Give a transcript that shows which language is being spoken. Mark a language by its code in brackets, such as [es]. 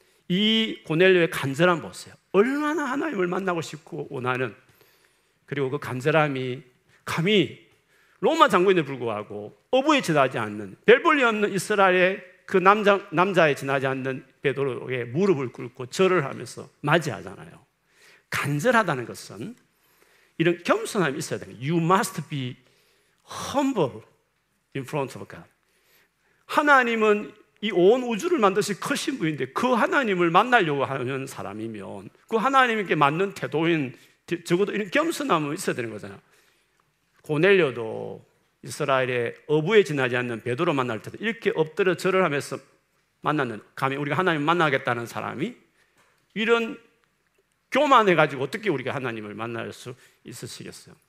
[ko] 이 고넬료의 간절함 보세요. 얼마나 하나님을 만나고 싶고 원하는, 그리고 그 간절함이 감히 로마 장군에 불구하고 어부에 지나지 않는, 별볼일 없는 이스라엘의 그 남자에 지나지 않는 베드로에게 무릎을 꿇고 절을 하면서 맞이하잖아요. 간절하다는 것은 이런 겸손함이 있어야 돼요. [en] You must be humble in front of God. [ko] 하나님은 이 온 우주를 만드신 크신 분인데 그 하나님을 만나려고 하는 사람이면 그 하나님께 맞는 태도인, 적어도 이런 겸손함은 있어야 되는 거잖아요. 고넬료도 이스라엘의 어부에 지나지 않는 베드로 만날 때도 이렇게 엎드려 절을 하면서 만났는, 감히 우리가 하나님을 만나겠다는 사람이 이런 교만해가지고 어떻게 우리가 하나님을 만날 수 있으시겠어요?